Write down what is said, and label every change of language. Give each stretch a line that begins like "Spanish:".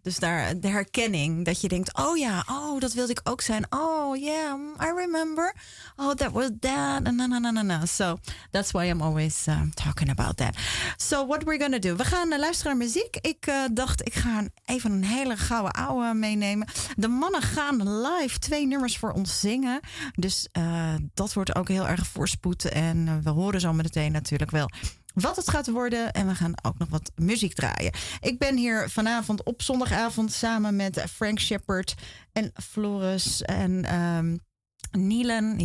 Dutch: Dus daar de herkenning dat je denkt, oh ja, oh dat wilde ik ook zijn.
English: Oh yeah, I remember. Oh, that was that. Na. So that's why I'm always talking about that. So what we're gonna do?
Dutch: We gaan luisteren naar muziek. Ik dacht, ik ga even een hele gouden ouwe meenemen. De mannen gaan live 2 nummers voor ons zingen. Dus dat wordt ook heel erg voorspoed. En we horen zo meteen natuurlijk wel wat het gaat worden. En we gaan ook nog wat muziek draaien. Ik ben hier vanavond op zondagavond samen met Frank Shepherd en Floris en Nielen.